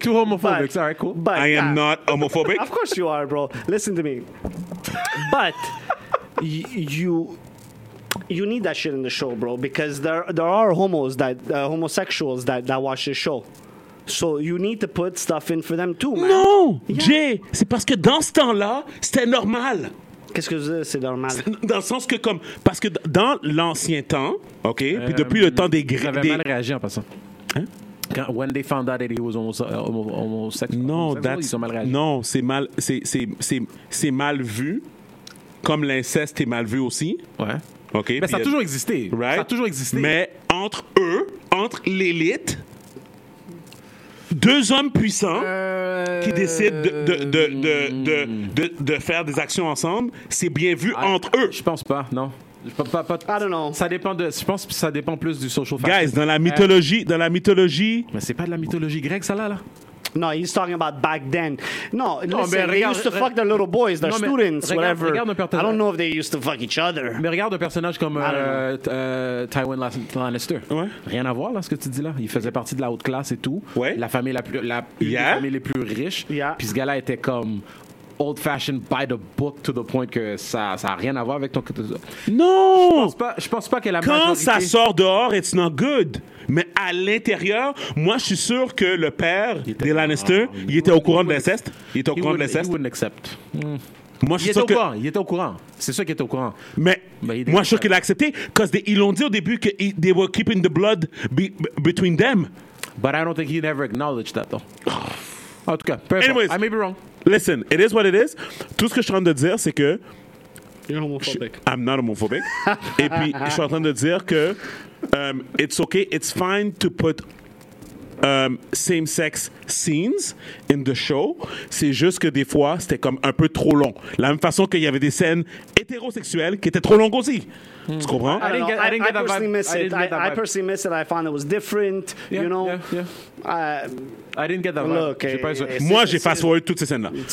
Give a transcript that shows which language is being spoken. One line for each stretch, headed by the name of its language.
English: Too homophobic. All right, cool. But I am not homophobic. Of course you are, bro. Listen to me. But. You need that shit in the show, bro, because there are homosexuals that watch the show. So you need to put stuff in for them too, man. No, yeah.
French: Jay, c'est parce que dans ce temps-là, c'était normal. Qu'est-ce que je veux dire, c'est normal? Dans le sens que comme parce que dans l'ancien temps, OK, puis depuis le temps des grecs, j'avais mal réagi en passant. Hein?
English: When they found out that he was homosexual.
French: Non, homosexual, ils ont mal réagi. Non, c'est mal vu. Comme l'inceste est mal vu aussi. Ouais. OK. Mais ça a toujours existé.
English: Right?
French: Ça a toujours existé. Mais entre eux, entre l'élite, deux hommes puissants qui décident de faire des actions ensemble, c'est bien vu entre eux. Je pense pas, non. Pas,
English: I don't know.
French: Ça dépend de. Je pense que ça dépend plus du social factor. Guys, dans la mythologie. Mais c'est pas de la mythologie grecque, ça là.
English: No, he's talking about back then. No, listen, no,
French: regarde,
English: they used to fuck their little boys, their students, whatever. I don't know if they used to fuck each other.
French: Mais regarde un personnage comme Tywin Lannister. Ouais. Rien à voir là, ce que tu dis là. Il faisait partie de la haute classe et tout. Ouais. La famille la plus, la yeah. famille les plus riches.
English: Yeah.
French: Puis ce gars-là était comme
English: old fashioned by the book to the point
French: que ça ça a rien à voir avec ton. Non. Je pense pas que la quand majorité... ça sort dehors,
English: it's not good.
French: Mais à l'intérieur, moi, je suis sûr que le père des Lannister, il était au courant de l'inceste. Il était au courant de l'inceste.
English: He wouldn't accept.
French: Moi, je suis sûr que... Il était au courant. C'est sûr qu'il était au courant. Mais moi, je suis sûr qu'il a accepté. Parce qu'ils l'ont dit au début que
English: they were keeping the blood between them. But I don't think he never acknowledged that, though.
French: En tout cas, peu importe.
English: I may be wrong. Listen, it is what it is.
French: Tout ce que je suis en train de dire, c'est que...
English: You're homophobic. I'm not homophobic.
French: Et puis, je suis en train de dire que...
English: it's okay, it's fine to put same-sex scenes in the show.
French: C'est juste que des fois, c'était comme un peu trop long. La même façon qu'il y avait des scènes hétérosexuelles qui étaient trop longues aussi. Tu comprends?
English: I personally miss it. I found it was different, yeah, you know? Yeah. I didn't get that vibe. Okay.
French: Moi, j'ai fast-forward toutes ces scènes-là.